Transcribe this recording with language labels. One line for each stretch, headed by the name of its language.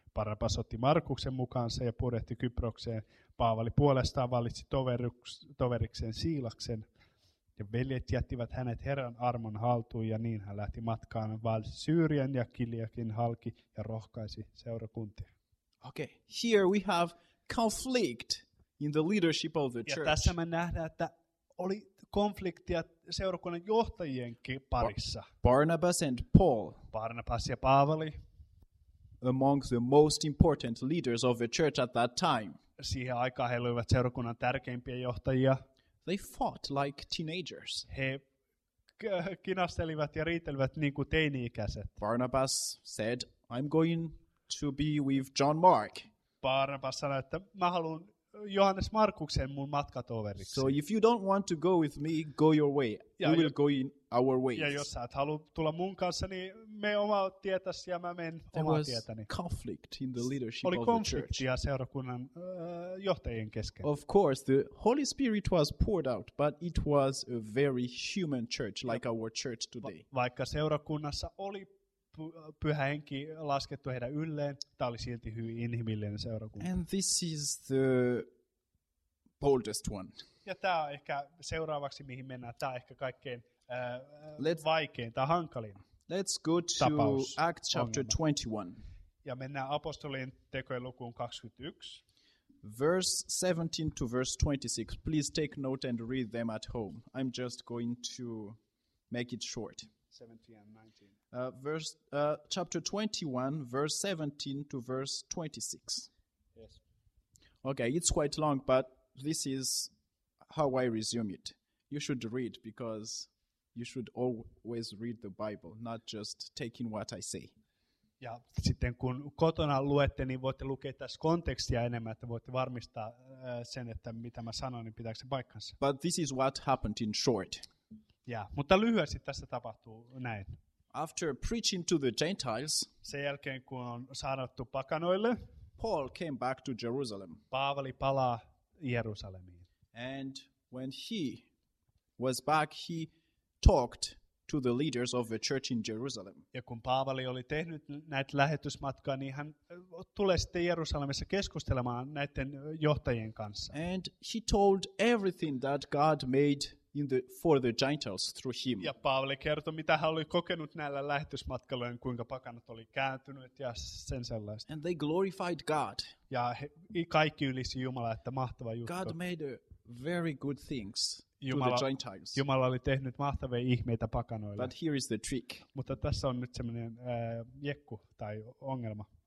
Finnish: Barnabas otti Markuksen mukaansa ja purjehti Kyprokseen. Paavali puolestaan valitsi toverikseen Siilaksen. Ja veljet jättivät hänet Herran armon haltuun, ja niin hän lähti matkaan vaalisi Syyrian ja Kiliakin halki ja rohkaisi seurakuntia.
English: Okay, here we have conflict in the leadership of the church.
Finnish: Ja tässä me nähdään, että oli konfliktia seurakunnan johtajienkin parissa.
English: Barnabas and Paul.
Finnish: Barnabas ja Paavali.
English: Among the most important leaders of the church at that time.
Finnish: Siihen aikaan he olivat seurakunnan tärkeimpiä johtajia.
English: They fought like teenagers.
Finnish: He kinastelivat ja riitelivät niin kuin teini-ikäiset.
English: Barnabas said, I'm going to be with John Mark.
Finnish: Barnabas sanoi, että mä haluan Johannes Markuksen mun matkatoveriksi.
English: So if you don't want to go with me, go your way. Ja we will go in our ways.
Finnish: Ja jos sä et halua tulla mun kanssa, niin me oma tietäs ja mä menen oma tietäni.
English: There was conflict in the leadership
Finnish: Oli konfliktia seurakunnan johtajien kesken.
English: Of course, the Holy Spirit was poured out, but it was a very human church, like our church today.
Finnish: Vaikka seurakunnassa oli Pyhä Henki laskettu heidän ylleen, tämä oli silti hyvin inhimillinen seurakunta.
English: And this is the boldest one.
Finnish: Ja tämä on ehkä seuraavaksi, mihin mennään. Tämä on ehkä kaikkein vaikein tai hankalin
English: Let's go to
Finnish: tapaus.
English: Acts chapter 21.
Finnish: Ja mennään apostolien tekojen lukuun 21.
English: Verse 17 to verse 26. Please take note and read them at home. I'm just going to make it short. 17 and 19. Chapter 21, verse 17 to verse 26. Yes. Okay, it's quite long, but this is how I resume it. You should read, because you should always read the Bible, not just taking what I say.
Finnish: Ja sitten kun kotona luette, niin voitte lukea tässä kontekstia enemmän, että voitte varmistaa sen, että mitä mä sanon, niin pitääkö se paikkansa.
English: But this is what happened in short.
Finnish: Ja, mutta lyhyesti tässä tapahtuu näin.
English: After preaching to the Gentiles,
Finnish: sen jälkeen kun on saarnattu pakanoille,
English: Paul came back to Jerusalem.
Finnish: Paavali palaa Jerusalemiin.
English: And when he was back, he talked to the leaders of the church in Jerusalem.
Finnish: Ja kun Paavali oli tehnyt näitä lähetysmatkaa, niin hän tulee sitten Jerusalemissa keskustelemaan näiden johtajien kanssa.
English: And he told everything that God made for the Gentiles through him.
Finnish: Ja Paavali kertoi, mitä hän oli kokenut näillä lähetysmatkalla, kuinka pakanat oli kääntynyt ja sen sellaista.
English: And they glorified God.
Finnish: Ja kaikki ylisi Jumala, että mahtava juttu.
English: God made very good things to the Gentiles.
Finnish: Jumala oli tehnyt mahtavia ihmeitä pakanoille.
English: But here is the trick.
Finnish: Mutta tässä on nyt semmoinen jekku tai ongelma.